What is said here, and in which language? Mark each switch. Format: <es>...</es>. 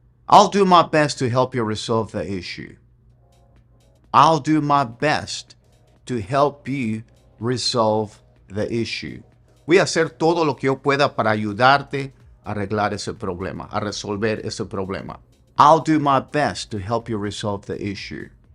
<en>I'll do my best to help you resolve the issue. I'll do my best to help you resolve the issue.</en> <es>Voy a hacer todo lo que yo pueda para ayudarte a arreglar ese problema, a resolver ese problema.</es> <en>I'll do my best to help you resolve the issue.</en>